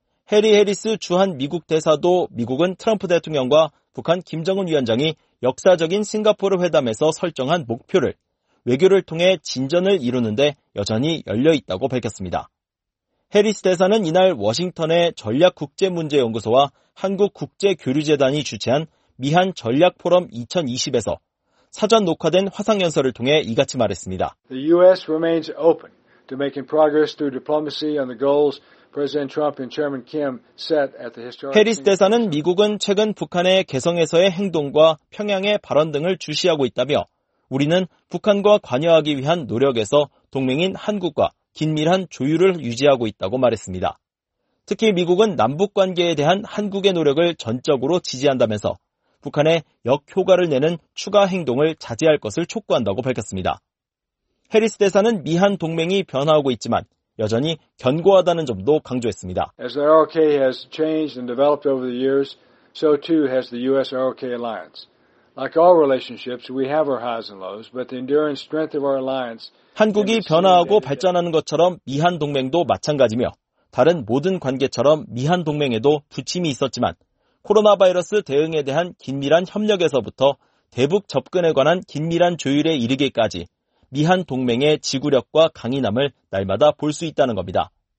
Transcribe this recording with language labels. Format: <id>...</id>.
<ko>해리 해리스 주한 미국 대사도 미국은 트럼프 대통령과 북한 김정은 위원장이 역사적인 싱가포르 회담에서 설정한 목표를 외교를 통해 진전을 이루는데 여전히 열려있다고 밝혔습니다. 해리스 대사는 이날 워싱턴의 전략국제문제연구소와 한국국제교류재단이 주최한 미한 전략포럼 2020에서 사전 녹화된 화상연설을 통해 이같이 말했습니다.</ko> <en>The U.S. remains open. to making progress through diplomacy on the goals President Trump and Chairman Kim set at the historic.</en> <ko>해리스 대사는 미국은 최근 북한의 개성에서의 행동과 평양의 발언 등을 주시하고 있다며 우리는 북한과 관여하기 위한 노력에서 동맹인 한국과 긴밀한 조율을 유지하고 있다고 말했습니다. 특히 미국은 남북 관계에 대한 한국의 노력을 전적으로 지지한다면서 북한에 역효과를 내는 추가 행동을 자제할 것을 촉구한다고 밝혔습니다. 해리스 대사는 미한 동맹이 변화하고 있지만 여전히 견고하다는 점도 강조했습니다.</ko> <en>As the ROK has changed and developed over the years, so too has the US-ROK alliance. Like all relationships, we have our highs and lows, but the enduring strength of our alliance.</en> <ko>한국이 변화하고 발전하는 것처럼 미한 동맹도 마찬가지며 다른 모든 관계처럼 미한 동맹에도 부침이 있었지만 코로나 바이러스 대응에 대한 긴밀한 협력에서부터 대북 접근에 관한 긴밀한 조율에 이르기까지 미한 동맹의 지구력과 강인함을 날마다 볼 수 있다는 겁니다.</ko>